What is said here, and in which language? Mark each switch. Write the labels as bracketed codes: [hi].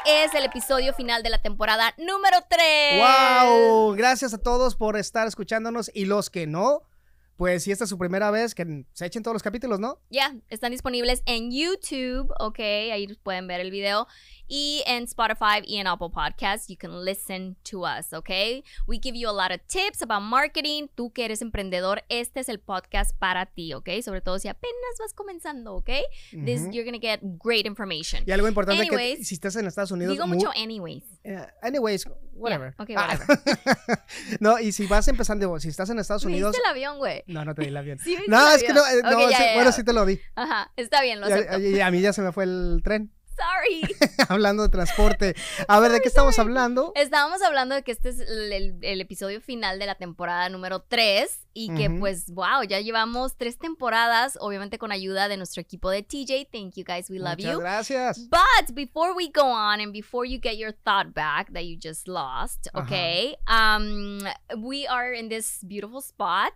[es] Es el episodio final de la temporada número 3. Wow. Gracias a todos por estar escuchándonos. Y los que no, pues si esta es su primera vez, que se echen todos los capítulos, ¿no? Ya, yeah, están disponibles en YouTube, ok, ahí pueden ver el video. Y en Spotify y en Apple Podcasts, [en] you can listen to us, [es] ok. [en] We give you a lot of tips about marketing. [es] Tú que eres emprendedor, este es el podcast para ti, ok. Sobre todo si apenas vas comenzando, [en] ok. This, you're gonna get great information. [es] Y algo importante anyways, que si estás en Estados Unidos. Digo mucho anyways. [en] Anyways, whatever. Yeah, ok, whatever. Ah. [es] No, y si vas empezando, si estás en Estados Unidos. ¿Viste el avión, güey? No, no te di el avión. Sí, no, el es avión. Que no, okay, no ya, sí, ya, bueno, ya. Sí te lo di. Ajá, está bien, lo acepto. Y a mí ya se me fue el tren. [en] Sorry. [es] Hablando de transporte. A ver, ¿de qué estamos hablando? Estábamos hablando de que este es el episodio final de la temporada número 3. Y que, pues, wow, ya llevamos 3 temporadas, obviamente con ayuda de nuestro equipo de TJ. [en] Thank you, guys. We love you. [es] Muchas gracias. [en] But before we go on and before you get your thought back that you just lost, okay, we are in this beautiful spot.